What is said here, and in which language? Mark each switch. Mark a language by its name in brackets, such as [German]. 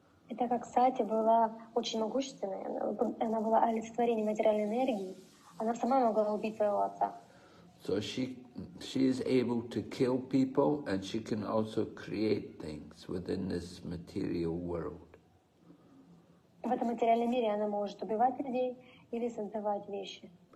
[Russian] Это как Сати была очень могущественная, она была олицетворением материальной энергии. Она сама могла убить своего отца. [English] So she is able to kill people, and she can also create things within this material world. [Russian] В этом материальном мире она может убивать людей или создавать вещи.